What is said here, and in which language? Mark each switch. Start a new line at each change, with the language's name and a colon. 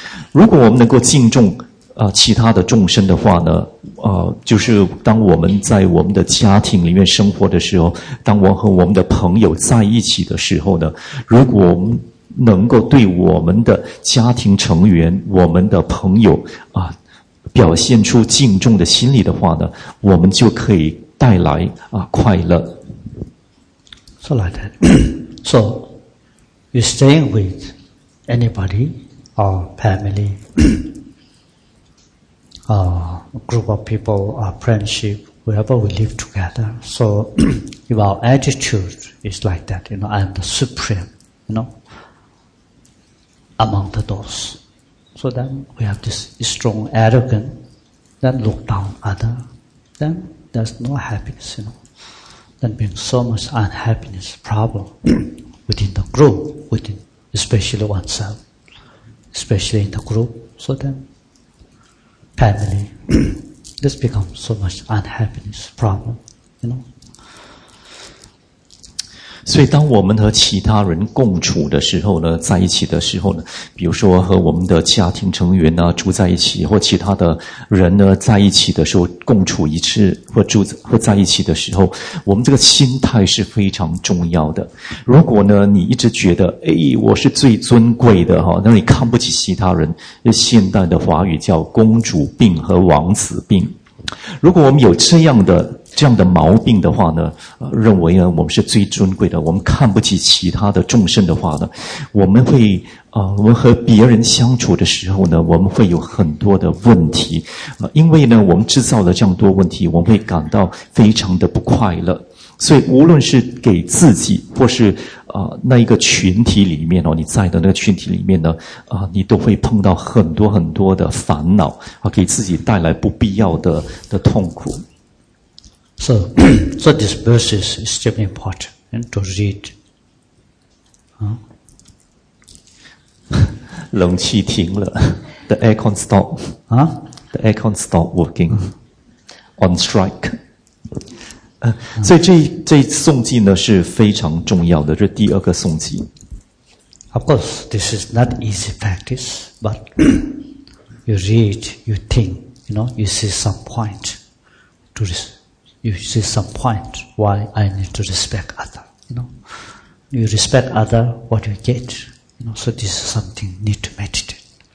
Chinese: 如果我们能够敬重其他的众生的话呢，就是当我们在我们的家庭里面生活的时候，当我和我们的朋友在一起的时候呢，如果我们能够对我们的家庭成员、我们的朋友啊，表现出敬重的心理的话呢，我们就可以带来啊快乐。
English: So like that. So, you staying with anybody or family, group of people, or friendship, wherever we live together. So, if our attitude is like that, you know, I am the supreme, you know. Among the those. So then we have this strong arrogance, then look down other, then there's no happiness, you know. Then being so much unhappiness, problem within the group, within especially oneself, especially in the group. So then family, this becomes so much unhappiness, problem, you know.
Chinese: 所以当我们和其他人共处的时候呢，在一起的时候呢，比如说和我们的家庭成员呢住在一起，或其他的人呢在一起的时候共处一次，或在一起的时候，我们这个心态是非常重要的。如果呢你一直觉得哎，我是最尊贵的，那你看不起其他人，现代的华语叫公主病和王子病。如果我们有这样的毛病的话呢，认为呢我们是最尊贵的，我们看不起其他的众生的话呢，我们会我们和别人相处的时候呢，我们会有很多的问题，因为呢我们制造了这样多问题，我们会感到非常的不快乐。所以无论是给自己或是那一个群体里面你在的那个群体里面呢你都会碰到很多很多的烦恼给自己带来不必要的痛苦。
English: So this verse is extremely important to read.
Chinese: 冷气停了
English: ，the aircon stop. The aircon stop working on strike.
Chinese: 所以这颂记呢是非常重要的，这第二个颂记。
English: Of course, this is not easy practice, but you read, you think, you know, you see some point to this. you see some point why I need to respect other. You know, you respect other, what you get. You know, so this is something need to meditate.